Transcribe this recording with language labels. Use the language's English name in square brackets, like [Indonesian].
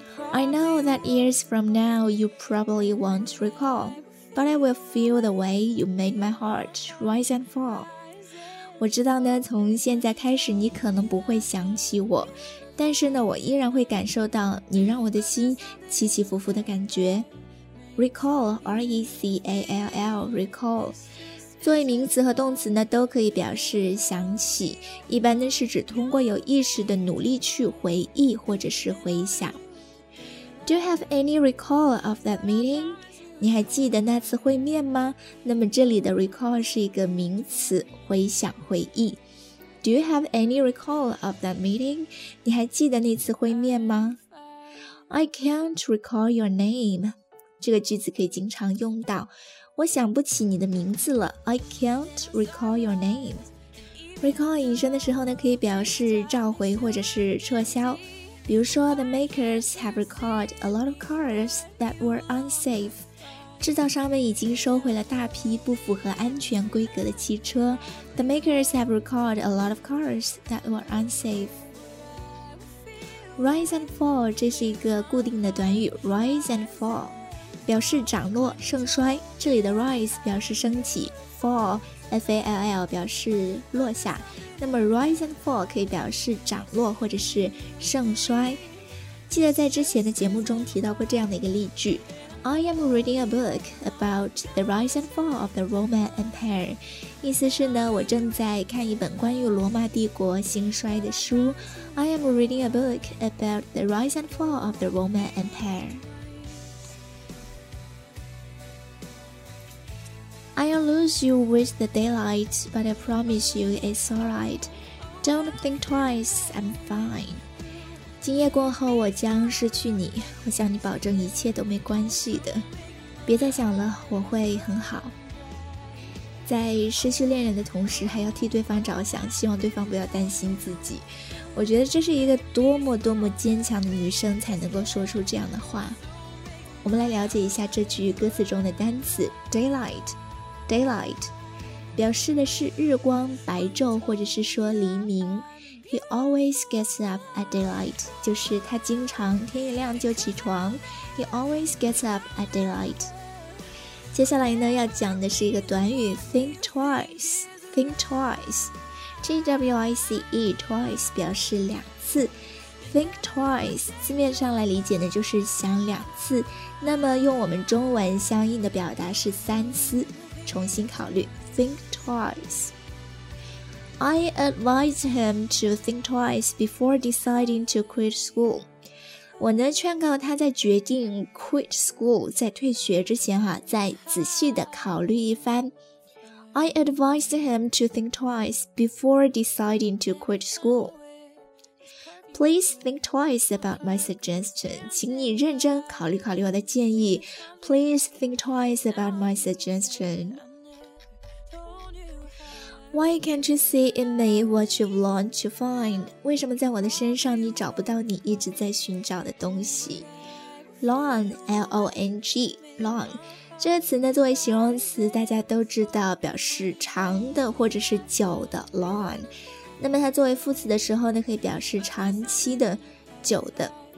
[English] I know that years from now you probably won't recall, but I will feel the way you made my heart rise and fall. [Chinese] 我知道呢，从现在开始你可能不会想起我，但是呢，我依然会感受到你让我的心起起伏伏的感觉。 [English] Recall, R-E-C-A-L-L, recall. [Chinese] 作为名词和动词呢，都可以表示想起，一般呢是指通过有意识的努力去回忆或者是回想。 [English] Do you have any recall of that meeting? [Chinese] 你还记得那次会面吗？那么这里的 recall 是一个名词，回想回忆。 [English] Do you have any recall of that meeting? [Chinese] 你还记得那次会面吗？ [English] I can't recall your name. [Chinese] 这个句子可以经常用到。我想不起你的名字了。 [English] I can't recall your name. [Chinese] Recall 引申的时候呢，可以表示召回或者是撤销。比如说 [English] ,The makers have recalled a lot of cars that were unsafe. [Chinese] 制造商们已经收回了大批不符合安全规格的汽车。 [English] The makers have recalled a lot of cars that were unsafe. [Chinese] Rise and fall, 这是一个固定的短语 ,Rise and fall, 表示涨落盛衰。这里的 rise 表示升起 ,fall, F-A-L-L 表示落下。那么 rise and fall 可以表示涨落或者是盛衰。记得在之前的节目中提到过这样的一个例句， [English] I am reading a book about the rise and fall of the Roman Empire. [Chinese] 意思是呢，我正在看一本关于罗马帝国兴衰的书。 [English] I am reading a book about the rise and fall of the Roman Empire. I'll lose you with the daylight, but I promise you it's alright. Don't think twice, I'm fine. [Chinese] 今夜过后我将失去你，我向你保证一切都没关系的。别再想了，我会很好。在失去恋人的同时还要替对方着想，希望对方不要担心自己。我觉得这是一个多么多么坚强的女生才能够说出这样的话。我们来了解一下这句歌词中的单词 daylight。 Daylight 表示的是日光、白昼或者是说黎明。 [English] He always gets up at daylight， [Chinese] 就是他经常天一亮就起床。 [English] He always gets up at daylight。 [Chinese] 接下来呢要讲的是一个短语 Think twice。 Think twice， T-W-I-C-E twice 表示两次。 Think twice 字面上来理解呢就是想两次，那么用我们中文相应的表达是三思，重新考虑。 [English] Think twice. I advise him to think twice before deciding to quit school. [Chinese] 我呢劝告他在决定 quit school， 在退学之前哈，再仔细的考虑一番。 [English] I advise him to think twice before deciding to quit school. Please think twice about my suggestion. [Chinese] 请你认真考虑考虑我的建议。 [English] Please think twice about my suggestion. Why can't you see in me what you've longed to find? [Chinese] 为什么在我的身上你找不到你一直在寻找的东西？ [English] Long, L-O-N-G, long. [Chinese] 这个词呢作为形容词大家都知道，表示长的或者是久的 long. 那么它作为副词的时候呢可以表示长期的、久的。